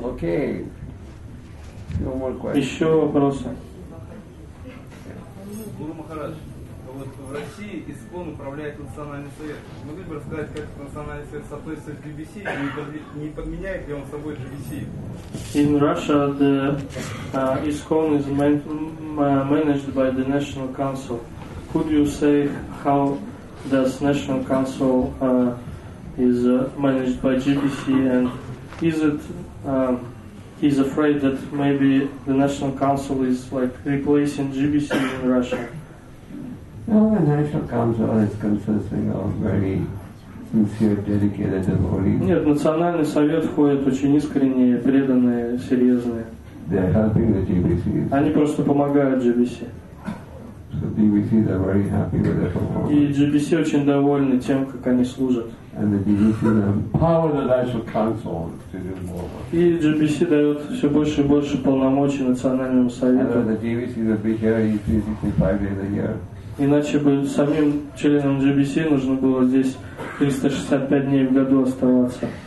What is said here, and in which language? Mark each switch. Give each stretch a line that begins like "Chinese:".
Russian: Еще вопросы? Гуру Махарадж, в России ИСККОН управляет Национальный совет. Могли бы рассказать, как Национальный совет соответствует GBC и не подменяет ли он собой GBC?
English: In Russia, the ISKCON is managed by the National Council. Could you say how does National Council is managed by GBC, and is it he's afraid that maybe the National Council is like replacing GBC in Russia? Well, the National Council is consisting of very sincere, dedicated devotees.
Russian: Нет, Национальный совет входит очень искренние, преданные, серьезные.
English: They are helping the GBC.
Russian: Они просто помогают GBC.
English: So GBC is very happy with their performance.
Russian: И GBC очень довольны тем, как они служат.
English: And the GBC empowers the National Council to do more.
Russian: И GBC дает все больше и больше полномочий Национальному совету.
English: And the GBC would be here 365 days a year.
Russian: Иначе бы самим членам GBC нужно было здесь 365 дней в году оставаться.